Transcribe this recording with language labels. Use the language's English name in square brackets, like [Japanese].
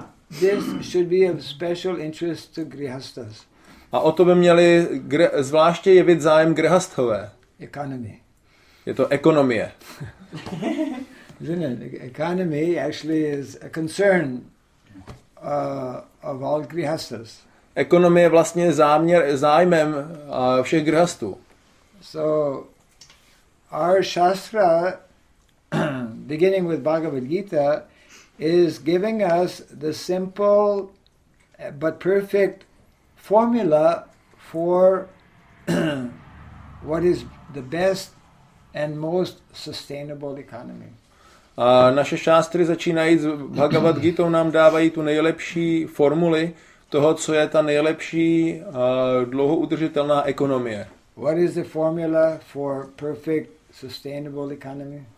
[English] This should be of special interest to grihasthas. [Czech] A o to by měli zvláště jevit zájem grihasthové. [English] Economy. [Czech] Je to ekonomie. [English] Isn't it? Economy actually is a concern of all grihasthas. [Czech] Ekonomie je vlastně zájmem všech grihasthů. [English] So our shastra, beginning with Bhagavad Gita, is giving us the simple but perfect formula for what is the best and most sustainable economy. [Czech] A naše šástry začínají s Bhagavad Gitou nám dávají tu nejlepší formuly toho, co je ta nejlepší dlouhoudržitelná ekonomie. [English] What is the formula for perfect sustainable economy?